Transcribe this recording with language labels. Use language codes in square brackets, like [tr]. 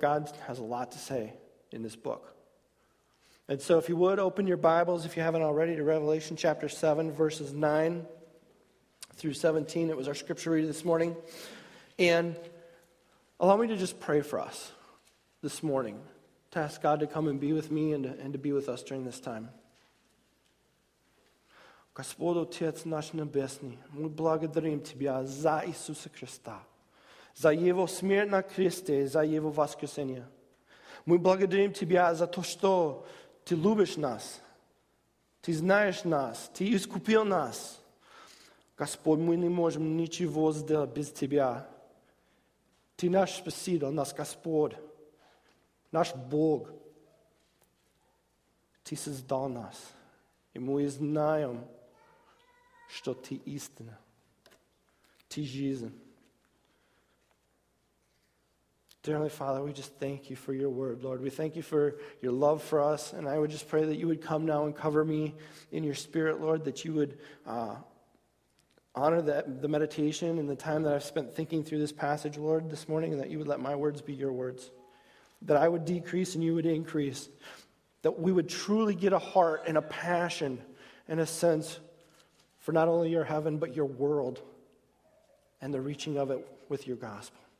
[en] God has a lot to say in this book. And so if you would, open your Bibles, if you haven't already, to Revelation chapter 7, verses 9 through 17. It was our scripture reading this morning. And allow me to just pray for us this morning, to ask God to come and be with me and to be with us during this time. [ru] Господь Отец наш Небесный, мы благодарим Тебя за Иисуса Христа, за Его смерть на кресте, за Его воскресение. Мы благодарим Тебя за то, что Ты любишь нас, Ты знаешь нас, Ты искупил нас. Господь, мы не можем ничего сделать без Тебя. Ты наш Спаситель, нас Господь, наш Бог. Ты создал нас, и мы знаем, что ты истина, ты жизнь. [en] Dear Heavenly Father, we just thank you for your word, Lord. We thank you for your love for us, and I would just pray that you would come now and cover me in your spirit, Lord, that you would honor the meditation and the time that I've spent thinking through this passage, Lord, this morning, and that you would let my words be your words, that I would decrease and you would increase, that we would truly get a heart and a passion and a sense for not only your heaven, but your world and the reaching of it with your gospel.